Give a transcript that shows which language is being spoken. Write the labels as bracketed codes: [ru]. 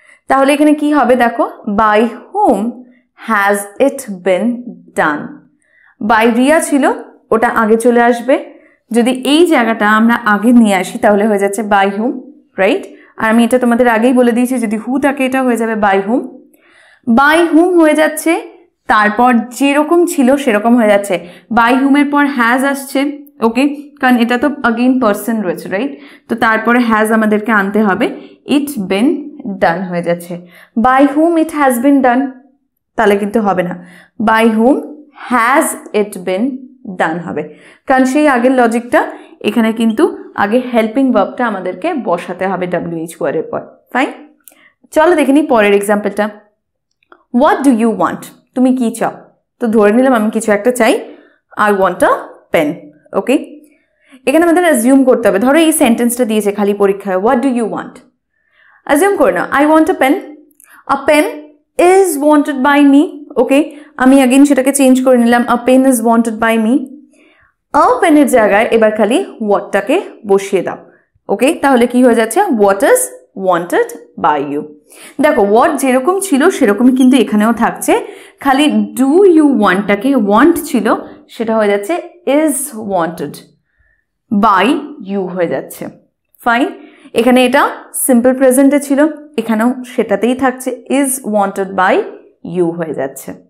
[bn] তাহলে এখানে কি হবে দেখো, [en] by whom has it been done, [bn] by Riya ছিল ওটা আগে চলে আসবে, যদি এই জায়গাটা আমরা আগে নিয়ে আসি তাহলে হয়ে যাচ্ছে বাই হুম, রাইট? আর আমি এটা তোমাদের আগেই বলে দিয়েছি, যদি হু থাকে এটা হয়ে যাবে বাই হুম। By whom হয়ে যাচ্ছে, তারপর যেরকম ছিল সেরকম হয়ে যাচ্ছে। By whom এর পর has আসছে, ওকে, কারণ এটা তো again person রয়েছে, right? তো তারপরে has আমাদেরকে আনতে হবে। [en] It's been done [bn] হয়ে যাচ্ছে। [en] By whom it has been done, [bn] তাহলে কিন্তু হবে না। [en] By whom has it been done [bn] হবে, কারণ সেই আগের লজিকটা এখানে কিন্তু আগে helping verbটা আমাদেরকে বসাতে হবে WH পরের পর, fine? চলো দেখে নিই পরের এক্সাম্পলটা। [en] What do you want? [bn] তুমি কি চাও? তো ধরে নিলাম আমি কিছু একটা চাই, [en] I want a pen, okay? [bn] এখানে আমাদের অ্যাজিউম করতে হবে, ধরো এই সেন্টেন্সটা দিয়েছে খালি পরীক্ষায়, [en] What do you want? [bn] Assume করো না, [en] I want a pen is wanted by me, okay? [bn] আমি আগেন সেটাকে চেঞ্জ করে নিলাম, [en] A pen is wanted by me. [bn] A pen এর জায়গায় এবার খালি what-টাকে বসিয়ে দাও, okay? তাহলে কি হয়ে যাচ্ছে, [en] What is wanted by you? [bn] দেখো what যেরকম ছিল সেরকমই কিন্তু এখানেও থাকছে, খালি do you want টাকে want ছিল সেটা হয়ে যাচ্ছে [en] is wanted by you [bn] হয়ে যাচ্ছে, fine? এখানে এটা simple present ছিল, এখানেও সেটাতেই থাকছে [en] is wanted by you [bn] হয়ে যাচ্ছে।